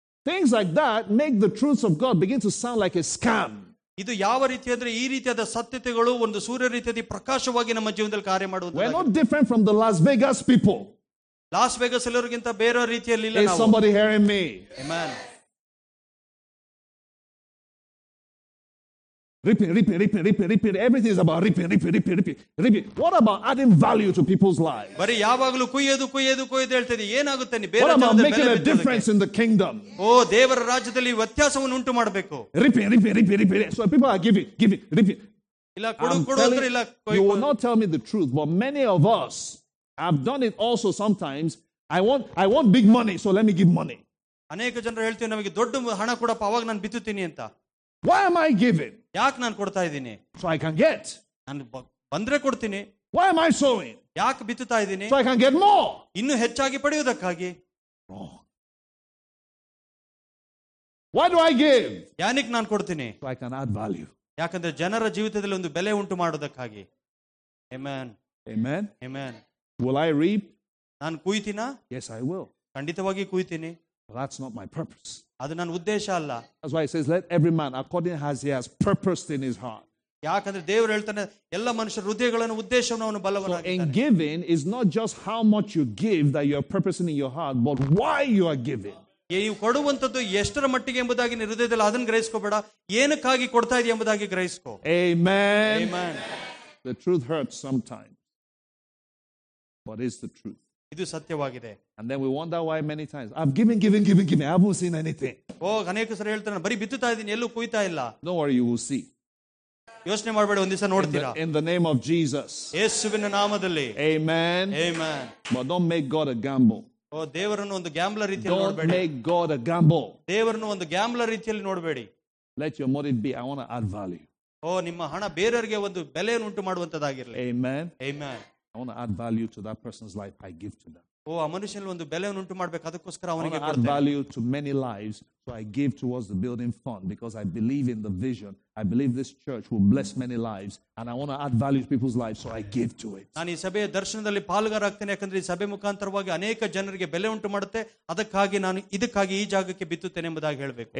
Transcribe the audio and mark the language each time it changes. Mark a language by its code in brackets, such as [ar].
[en] Things like that make the truth of God begin to sound like a scam. [kn] ಇದು ಯಾವ ರೀತಿ ಅಂದ್ರೆ ಈ ರೀತಿಯಾದ ಸತ್ಯತೆಗಳು ಒಂದು ಸೂರ್ಯ ರೀತಿಯಾದ ಪ್ರಕಾಶವಾಗಿ ನಮ್ಮ ಜೀವನದಲ್ಲಿ ಕಾರ್ಯ ಮಾಡುವುದು. [en] We're not different from the Las Vegas people. [kn] Loss Vegas ಎಲ್ಲರಿಗಿಂತ ಬೇರೆ ರೀತಿಯಲ್ಲಿ ಇಲ್ಲ. [en] Is somebody hearing me? Amen. Reaping. Everything is about reaping. What about adding value to people's lives? [kn] ಬರೀ ಯಾವಾಗಲೂ ಕುಯ್ಯೋದು ಹೇಳ್ತಿದ್ದೆ, ಏನಾಗುತ್ತೆ ನೀ ಬೇರೆ. [en] What about making a difference in the kingdom? [kn] ಓ ದೇವರ ರಾಜ್ಯದಲ್ಲಿ ವ್ಯತ್ಯಾಸವನ್ನು ಉಂಟು ಮಾಡಬೇಕು. [en] Reaping. So people are giving. [kn] ಇಲ್ಲ ಕೊಡು ಅಂದ್ರೆ ಇಲ್ಲ. [en] You will not tell me the truth, but many of us have done it also sometimes. I want big money, so let me give money. [kn] ಅನೇಕ ಜನರು ಹೇಳ್ತೀವಿ ನಮಗೆ ದೊಡ್ಡ ಹಣ ಕೊಡಪ್ಪ ಅವಾಗ ನಾನು ಬಿತ್ತುತ್ತೀನಿ ಅಂತ. [en] Why am I giving? [kn] ಯಾಕೆ ನಾನು ಕೊಡ್ತಾ ಇದ್ದೀನಿ? [en] So I can get. [kn] ನಾನು ಬಂದ್ರೆ ಕೊಡ್ತೀನಿ. [en] Why am I sowing? [kn] ಯಾಕೆ ಬಿತ್ತುತ್ತಾ ಇದ್ದೀನಿ? [en] So I can get more. [kn] ಇನ್ನು ಹೆಚ್ಚಾಗಿ ಪಡೆಯುವುದಕ್ಕಾಗಿ. [en] Why do I give? [kn] Jannik ನಾನು ಕೊಡ್ತೀನಿ? [en] So I can add value. [kn] ಯಾಕಂದ್ರೆ ಜನರ ಜೀವಿತದಲ್ಲಿ ಒಂದು ಬೆಲೆ ಉಂಟು ಮಾಡೋದಕ್ಕಾಗಿ. [en] Amen. Amen. Amen. Will I reap? [kn] ನಾನು ಕುಯ್ತೀನಾ? [en] Yes, I will. [kn] ಖಂಡಿತವಾಗಿ ಕುಯ್ತೀನಿ. [en] That's not my purpose. [kn] ಅದು ನನ್ನ ಉದ್ದೇಶ ಅಲ್ಲ. [en] That's why it says, let every man according as he has purposed in his heart. [kn] ಯಾಕಂದ್ರೆ ದೇವರು ಹೇಳ್ತಾನೆ ಎಲ್ಲ ಮನುಷ್ಯರ ಹೃದಯಗಳನ್ನು ಉದ್ದೇಶವನ್ನು ಅವನು ಬಲವಾಗಿ. [en] In giving is not just how much you give that you are purposing in your heart, but why you are giving. [kn] ನೀವು ಕೊಡುವಂತದ್ದು ಎಷ್ಟರ ಮಟ್ಟಿಗೆ ಎಂಬುದಾಗಿ ಹೃದಯದಲ್ಲಿ ಅದನ್ನ ಗ್ರಹಿಸ್ಕೋಬೇಡ, ಏನಕ್ಕಾಗಿ ಕೊಡ್ತಾ ಇದೆ ಎಂಬುದಾಗಿ ಗ್ರಹಿಸ್ಕೋ. [en] Amen. The truth hurts sometimes. What is the truth? [kn] ಇದು ಸತ್ಯವಾಗಿದೆ. [en] And then we wonder why many times I've given, given, given, given, I haven't seen anything. [kn] ಓ ಅನೇಕ ಸರಿ ಹೇಳ್ತಾರೆ ಬರೀ ಬಿತ್ತುತ್ತಾ ಇದ್ದೀನಿ, ಎಲ್ಲೂ ಕುಯ್ತಾ ಇಲ್ಲ. [en] No worry, you will see. [kn] ಯೋಚನೆ ಮಾಡಬೇಡ, ಒಂದ್ ದಿವಸ ನೋಡ್ತೀರಾ. [en] In the name of Jesus. [kn] ಯೇಸುವಿನ ನಾಮದಲ್ಲಿ. [en] Amen. Amen. But don't make God a gamble. [kn] ಓ ದೇವರನ್ನು ಒಂದು ಗ್ಯಾಂಬ್ಲರ್ ರೀತಿಯಲ್ಲಿ ನೋಡಬೇಡಿ. [en] Don't make God a gamble. [kn] ದೇವರನ್ನು ಒಂದು ಗ್ಯಾಂಬ್ಲರ್ ರೀತಿಯಲ್ಲಿ ನೋಡಬೇಡಿ. [en] Let your money be, I want to add value. [kn] ಓ ನಿಮ್ಮ ಹಣ ಬೇರೆಯವರಿಗೆ ಒಂದು ಬೆಲೆಯನ್ನು ಉಂಟು ಮಾಡುವಂತದಾಗಿರಲಿ. [en] Amen. Amen. I want to add value to that person's life I give to them. [kn] ಓ ಆ ಮನುಷ್ಯನಲ್ಲಿ ಒಂದು ಬೆಲೆಯನ್ನು ಉಂಟು ಮಾಡಬೇಕು, ಅದಕ್ಕೋಸ್ಕರ ಅವನಿಗೆ ಕೊಡ್ತೀನಿ. [en] Add value to many lives, so I give towards the building fund because I believe in the vision. I believe this church will bless many lives and I want to add value to people's lives, so I give to it. [kn] ನಾನು ಈ ಸಭೆಯ ದರ್ಶನದಲ್ಲಿ ಪಾಲ್ಗಾರಾಗ್ತೇನೆ, ಯಾಕಂದ್ರೆ ಈ ಸಭೆ ಮುಖಾಂತರವಾಗಿ ಅನೇಕ ಜನರಿಗೆ ಬೆಲೆ ಉಂಟು ಮಾಡುತ್ತೆ, ಅದಕ್ಕಾಗಿ ನಾನು ಇದಕ್ಕಾಗಿ ಈ ಜಾಗಕ್ಕೆ ಬಿತ್ತುತ್ತೇನೆ ಎಂಬುದಾಗಿ ಹೇಳಬೇಕು.